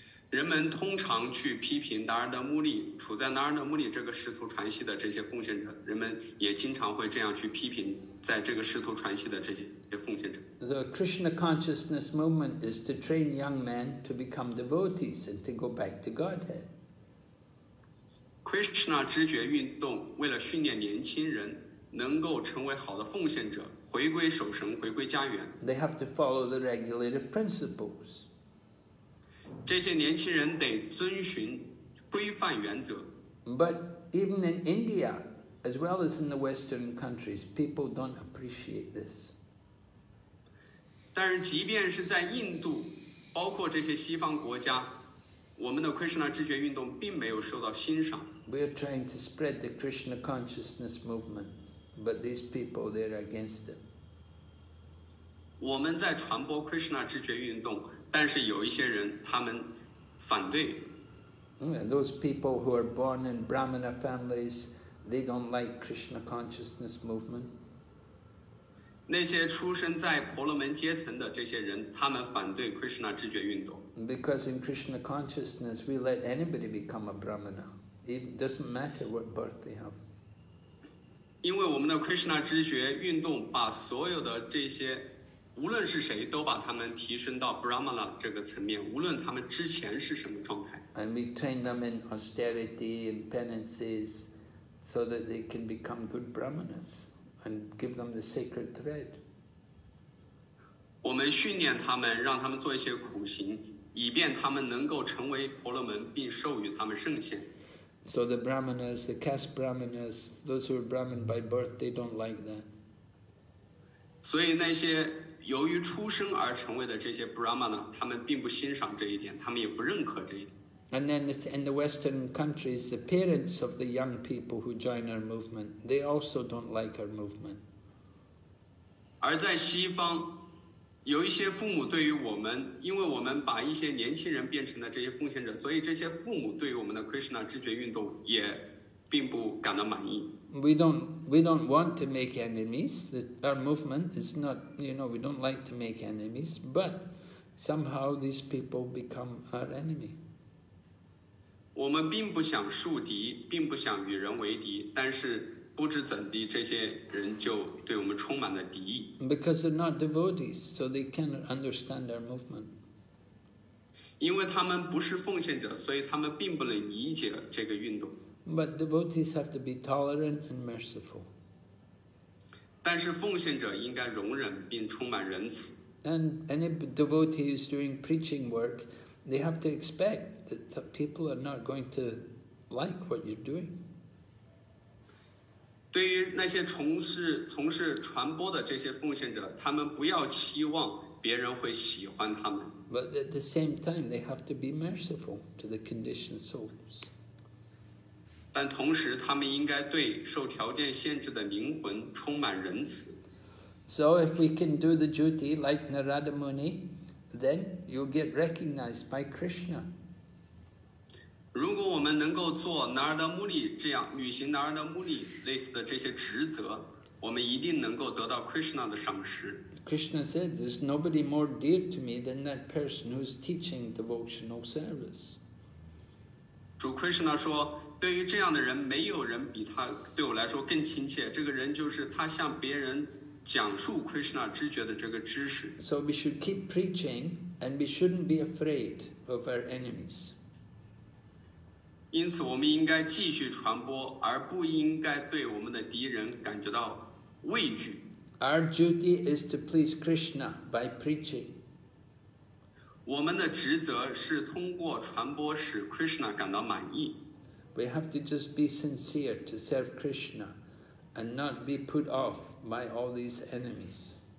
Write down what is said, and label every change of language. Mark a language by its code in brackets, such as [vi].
[zh] 人们通常去批评 Narada Muni, 处在 Narada Muni 这个师徒传系的这些奉献者，人们也经常会这样去批评在这个师徒传系的这些。 [en] The Krishna consciousness movement is to train young men to become devotees and to go back to Godhead. [zh] Krishna 知觉运动为了训练年轻人能够成为好的奉献者，回归守神，回归家园。 [en] They have to follow the regulative principles. [zh] 这些年轻人得遵循规范原则。 [en] But even in India, as well as in the Western countries, people don't appreciate this. [zh] 但是即便是在印度包括这些西方国家我们的 Krishna 知觉运动并没有受到欣赏。 [en] We are trying to spread the Krishna consciousness movement, but these people, they're against it. [zh] 我们在传播 Krishna 知觉运动但是有一些人他们反对。 [en] And those people who are born in Brahmana families, they don't like Krishna consciousness movement. [zh] 那些出生在婆罗门阶层的这些人，他们反对 Krishna 知觉运动。 [en] Because in Krishna consciousness, we let anybody become a Brahmana. It doesn't matter what birth they have. [zh] 因为我们的 Krishna 知觉运动把所有的这些，无论是谁，都把他们提升到 Brahmana 这个层面，无论他们之前是什么状态。 [en] And we train them in austerity and penances, so that they can become good Brahmanas.And give them the sacred thread. [zh] 我们训练他们，让他们做一些苦行，以便他们能够成为婆罗门，并授予他们圣贤。 [en] So the brahmanas, the caste brahmanas, those who are brahman by birth, they don't like that. [zh] 所以那些由于出生而成为的这些 brahmana, 他们并不欣赏这一点，他们也不认可这一点。 [en] And then in the Western countries, the parents of the young people who join our movement, they also don't like our movement. [zh] 而在西方，有一些父母对于我们，因为我们把一些年轻人变成了这些奉献者，所以这些父母对于我们的 Krishna 知觉运动也并不感到满意。 [en] We don't want to make enemies. Our movement is not, you know, we don't like to make enemies. But somehow these people become our enemy. [zh] 我们并不想树敌，并不想与人为敌，但是不知怎地，这些人就对我们充满了敌意。 [en] Because they're not devotees, so they cannot understand our movement. [zh] 因为他们不是奉献者，所以他们并不能理解这个运动。 [en] But devotees have to be tolerant and merciful. [zh] 但是奉献者应该容忍并充满仁慈。 [en] And any devotee who's doing preaching work, they have to expect that the people are not going to like what you're doing. [zh] 对于那些从事传播的这些奉献者，他们不要期望别人会喜欢他们。 [en] But at the same time, they have to be merciful to the conditioned souls. [zh] 但同时，他们应该对受条件限制的灵魂充满仁慈。 [en] So if we can do the duty like Narada Muni, then you'll get recognized by Krishna. [zh] 如果我们能够做 Narada Muni 这样履行 Narada Muni 类似的这些职责，我们一定能够得到 Krishna 的赏识。 [en] Krishna said, "There's nobody more dear to me than that person who's teaching devotional service." [zh] 主 Krishna 说，对于这样的人，没有人比他对我来说更亲切。这个人就是他向别人讲述 Krishna 知觉的这个知识。 [en] So we should keep preaching, and we shouldn't be afraid of our enemies. [zh] 因此，我们应该继续传播，而不应该对我们的敌人感觉到畏惧。 [en] Our duty is to please Krishna by preaching. [zh] 我们的职责是通过传播使 Krishna 感到满意。 [en] We have to just be sincere to serve Krishna and not be put off by all these enemies.